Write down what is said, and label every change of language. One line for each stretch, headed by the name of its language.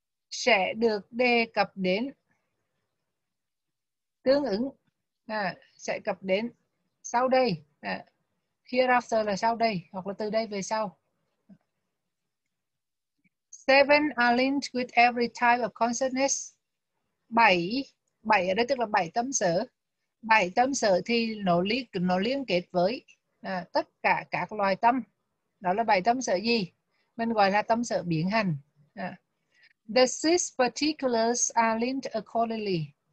Vietnamese: sẽ được đề cập đến tương ứng, sẽ cập đến sau đây, hereafter là sau đây hoặc là từ đây về sau.
English: Seven are linked with every type of consciousness.
Vietnamese: Bảy, bảy ở đây tức là bảy tâm sở. Bảy tâm sở thì nó liên kết với tất cả các loài tâm. Đó là bảy tâm sở gì? Mình gọi là tâm sở biến hành. The six particulars are linked accordingly.